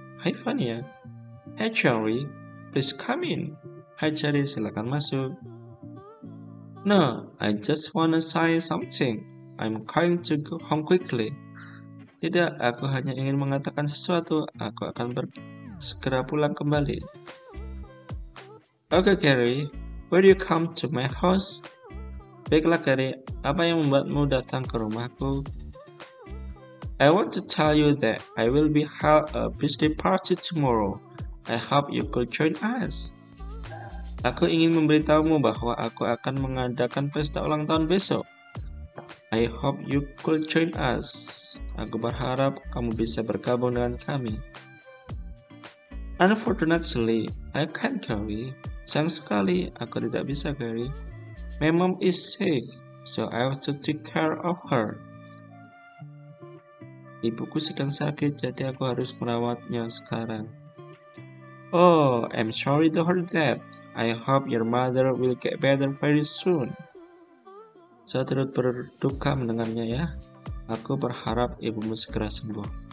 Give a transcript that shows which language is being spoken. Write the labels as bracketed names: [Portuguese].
[English] Hey Jerry, please come in. Hi Jerry, [Indonesian] silakan masuk. [English] No, I just wanna say something. I'm going to go home quickly. [Indonesian] Tidak, aku hanya ingin mengatakan sesuatu. Aku akan segera pulang kembali. [English] Okay Gary, where do you come to my house? [Indonesian] Baiklah Gary, apa yang membuatmu datang ke rumahku? [English] I want to tell you that I will be held a birthday party tomorrow. I hope you could join us. [Indonesian] Aku ingin memberitahumu bahwa aku akan mengadakan pesta ulang tahun besok. [English] I hope you could join us. [Indonesian] Aku berharap kamu bisa bergabung dengan kami. [English] Unfortunately, I can't [Indonesian] Gary. Sayang sekali, aku tidak bisa Gary. [English] My mom is sick, so I have to take care of her. [Indonesian] Ibuku sedang sakit, jadi aku harus merawatnya sekarang. [English] Oh, I'm sorry to hear that. I hope your mother will get better very soon. [Indonesian] Saya turut berduka mendengarnya ya. Aku berharap ibumu segera sembuh.